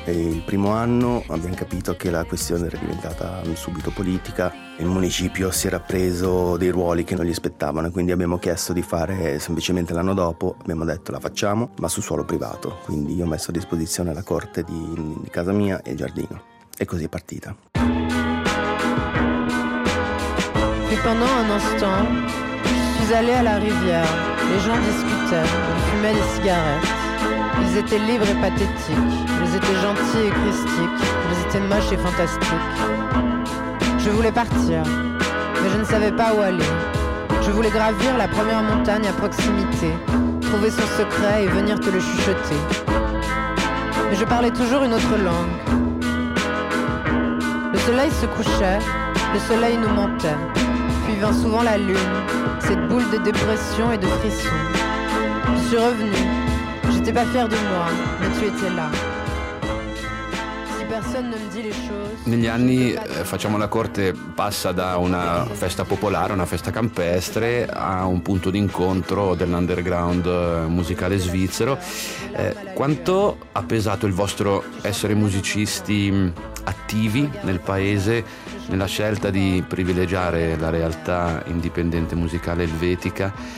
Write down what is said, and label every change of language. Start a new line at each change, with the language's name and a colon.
Italian: E il primo anno abbiamo capito che la questione era diventata subito politica. Il municipio si era preso dei ruoli che non gli spettavano, quindi abbiamo chiesto di fare semplicemente l'anno dopo. Abbiamo detto: la facciamo, ma su suolo privato. Quindi io ho messo a disposizione la corte di casa mia e il giardino. E così è partita.
French: Puis pendant un instant, je suis allée à la rivière. Les gens discutaient, ils fumaient des cigarettes. Ils étaient libres et pathétiques. Ils étaient gentils et christiques. Ils étaient moches et fantastiques. Je voulais partir, mais je ne savais pas où aller. Je voulais gravir la première montagne à proximité, trouver son secret et venir te le chuchoter. Mais je parlais toujours une autre langue. Le soleil se couchait, le soleil nous mentait. Puis vint souvent la lune, cette boule de dépression et de frisson. Je suis revenue, j'étais n'étais pas fière de moi, mais tu étais là. Si personne ne me dit les choses.
Italian: Negli anni, facciamo la corte, passa da una festa popolare, una festa campestre, a un punto d'incontro dell'underground musicale svizzero. Quanto ha pesato il vostro essere musicisti attivi nel paese nella scelta di privilegiare la realtà indipendente musicale elvetica?